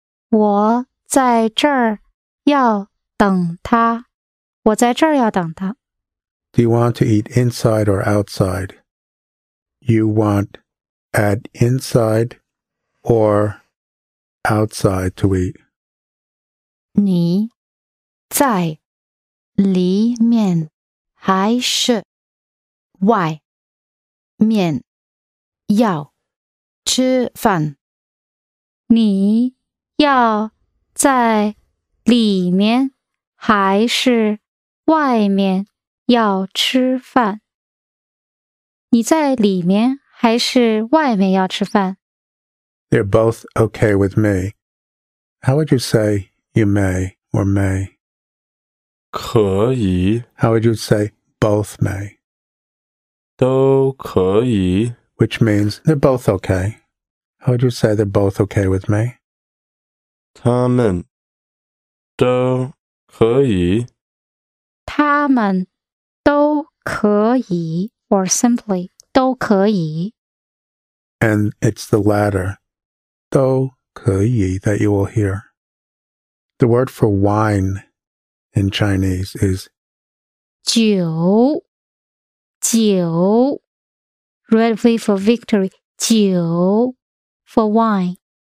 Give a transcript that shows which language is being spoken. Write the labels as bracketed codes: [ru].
[zh] 我在这儿要等他。我在这儿要等他。 [en] Do you want to eat inside or outside? You want at inside or outside to eat? [zh] 你在里面还是外面要吃饭，你要在里面还是外面要吃饭？你在里面还是外面要吃饭 [en] ？They're both okay with me. How would you say you may or may? [zh] 可以。 [en] How would you say both may? [zh] 都可以。 [en] Which means they're both okay. How would you say they're both okay with me? [zh] 他们都可以。他们都可以 [en] or simply, [zh] 都可以。 [en] And it's the latter, 都可以 that you will hear. The word for wine in Chinese is 酒酒 Red V for victory, 酒For wine.